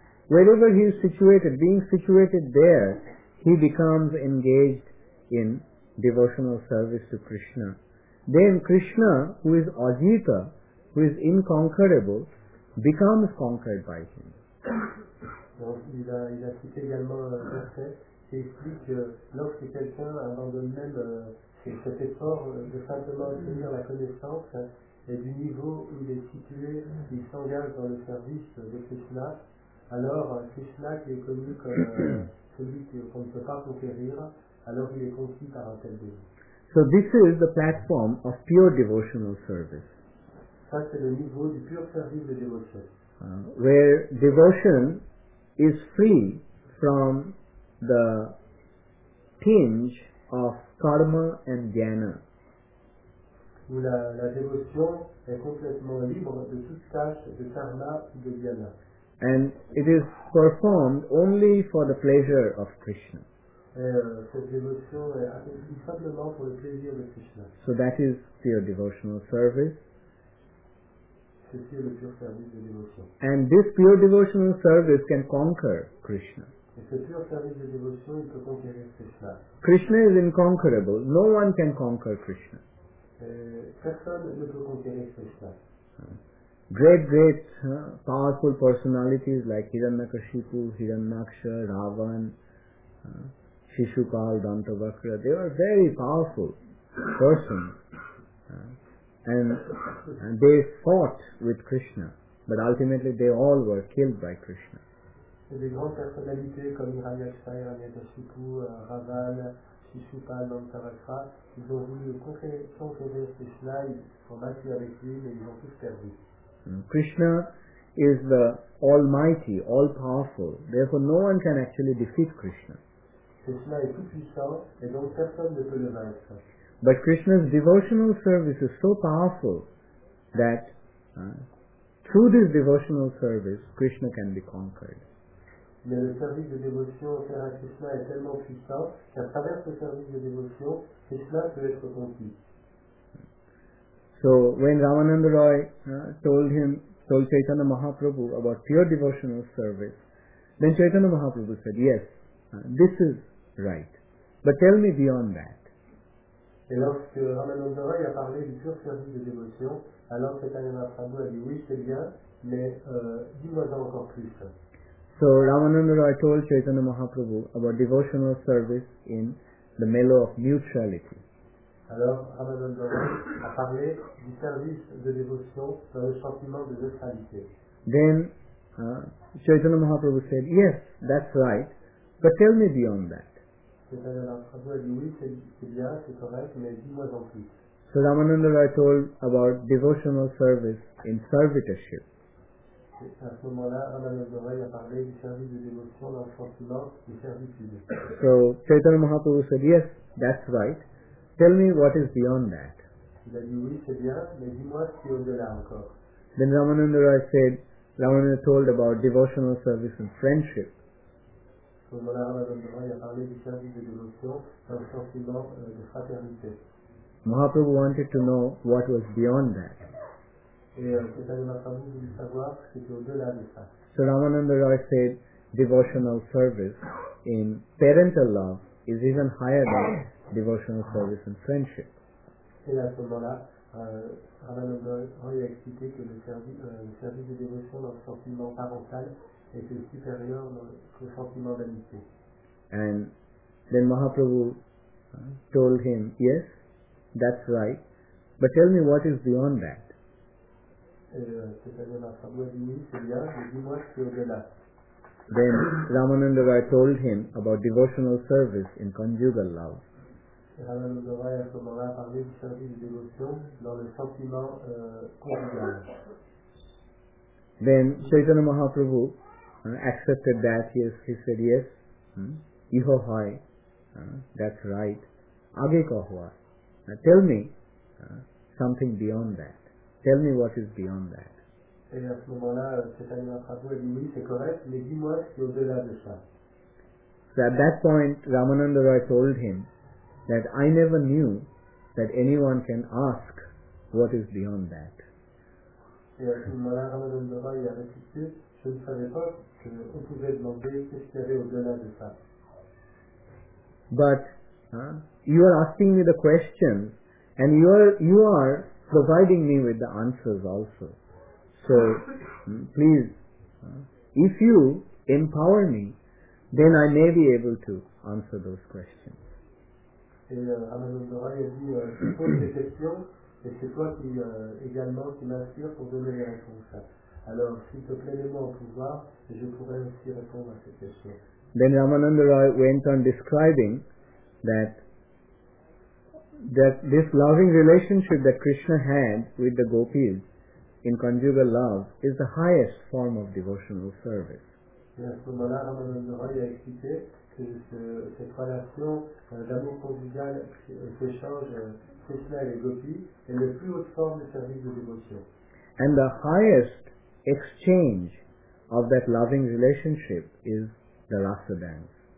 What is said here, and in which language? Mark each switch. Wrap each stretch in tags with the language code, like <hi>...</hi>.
<en>Wherever he is situated, being situated there, he becomes engaged in devotional service to Krishna. Then Krishna, who is ajita, who is inconquerable, becomes conquered by him.</en> <fr>Il a cité également un verset qui explique que lorsque quelqu'un abandonne même cet effort de simplement obtenir la connaissance et du niveau où il est situé, il s'engage dans le service de Krishna, alors Krishna qui est connu comme celui qu'on ne peut pas conquérir, alors il est conquis par un tel devotee.</fr> <en>So this is the platform of pure devotional service.</en> <fr>Ça c'est le niveau du pur service de dévotion.</fr> <en>Where devotion is free from the tinge of karma and jnana.</en> <fr>Où la dévotion est complètement libre de toute tâche de karma ou de jnana.</fr> <en>And it is performed only for the pleasure of Krishna.</en> <fr>Cette dévotion est accomplie simplement pour le plaisir de Krishna.</fr> <en>So that is pure devotional service.</en> <fr>Ceci est le pur service de dévotion.</fr> <en>And this pure devotional service can conquer Krishna.</en> <fr>Et ce pur service de dévotion, il peut conquérir Krishna.</fr> <en>Krishna is inconquerable. No one can conquer Krishna.</en> <fr>Personne ne peut conquérir Krishna.</fr> <en>Great, powerful personalities like Hiranyakashipu, Hiranyaksha, Ravan, Shishupal, Dantavakra, they were very powerful persons. And they fought with Krishna, but ultimately they all were killed by Krishna.</en> <fr>Des grandes personnalités comme Hiranyaksha, Hiranyakashipu, Ravan, Shishupal, Dantavakra, ils ont voulu conquérir Krishna, ils sont battus avec lui, mais ils ont tous perdu.</fr> <en>Krishna is the almighty, all-powerful. Therefore, no one can actually defeat Krishna.</en> <fr>Krishna est tout puissant et donc personne ne peut le vaincre.</fr> <en>But Krishna's devotional service is so powerful that through this devotional service, Krishna can be conquered.</en> <fr>Mais le service de dévotion offert à Krishna est tellement puissant qu'à travers ce service de dévotion, Krishna peut être conquis.</fr> <en>So when Ramananda Roy told Chaitanya Mahaprabhu about pure devotional service, then Chaitanya Mahaprabhu said, yes, this is right. But tell me beyond that.</en> <fr>Et lorsque Ramananda Roy a parlé du pur service de dévotion, alors Chaitanya Mahaprabhu a dit, oui, c'est bien, mais dis-moi encore plus.</fr> <en>So Ramananda Roy told Chaitanya Mahaprabhu about devotional service in the mellow of neutrality.</en> <fr>Alors, Ramananda a parlé du service de dévotion dans le sentiment de neutralité.</fr> <en>Then, Chaitanya Mahaprabhu said, yes, that's right, but tell me beyond that.</en> <fr>Chaitanya Mahaprabhu a dit, oui, c'est bien, c'est correct, mais dis-moi en plus.</fr> <en>So, Ramananda Roy told about devotional service in servitorship.</en> <fr>À ce moment-là, Ramananda Roy a parlé du service de dévotion dans le sentiment de servitude.</fr> <en>So, Chaitanya Mahaprabhu said, yes, that's right. Tell me what is beyond that.</en> <fr>Il a dit, oui, c'est bien, mais dis-moi ce qui est au-delà encore.</fr> <en>Then Ramananda Roy said, Ramananda told about devotional service and friendship.</en> <fr>Ramananda Roy a parlé du service de dévotion dans le sentiment de fraternité.</fr> <en>Mahaprabhu wanted to know what was beyond that.</en> <fr>Et Mahaprabhu voulait savoir ce qui était au-delà de ça.</fr> <en>So Ramananda Roy said, devotional service in parental love is even higher than devotional service and friendship.</en> <fr>Et à ce moment-là, Ramananda Roy a expliqué que le service de dévotion dans le sentiment parental était supérieur au sentiment d'amitié.</fr> <en>And then Mahaprabhu told him, yes, that's right, but tell me what is beyond that.</en> <fr>Et c'est-à-dire Mahaprabhu a dit, oui, c'est bien, mais dis-moi ce qui est au-delà.</fr> <en>Then Ramananda Rai told him about devotional service in conjugal love.</en> <fr>Ramananda Rai a ce moment-là parlé du service de dévotion dans le sentiment conjugal.</fr> <en>Then Chaitanya Mahaprabhu accepted that. Yes, he said yes.</en> <bn>Iho hai,</bn> <en>that's right.</en> <bn>Age kahua.</bn> <en>Tell me something beyond that. Tell me what is beyond that.</en> <fr>Et à ce moment-là, Chaitanya Mahaprabhu a dit oui, c'est correct, mais dis-moi ce qui est au-delà de ça.</fr> <en>So at that point, Ramananda Rai told him that I never knew that anyone can ask what is beyond that.</en> <fr>Et à ce moment-là, Ramananda Rai a répété, je ne savais pas qu'on pouvait demander qu'est-ce qu'il y avait au-delà de ça.</fr> <en>But you are asking me the question, and you are providing me with the answers also. So please, if you empower me, then I may be able to answer those questions.</en> <fr>Et Ramananda Rai a dit, je pose des questions, et c'est toi qui également qui m'inspires pour donner les réponses. Alors, s'il te plaît, mets-moi au pouvoir, et je pourrai aussi répondre à ces questions.</fr> <en>Then Ramananda Rai went on describing that this loving relationship that Krishna had with the gopis in conjugal love is the highest form of devotional service.</en> <fr>Et à ce moment-là, Ramananda Rai a expliqué que cette relation d'amour conjugal qu'échange Krishna et les gopis est la plus haute forme de service de dévotion.</fr> <en>And the highest exchange of that loving relationship is the rasa dance.</en>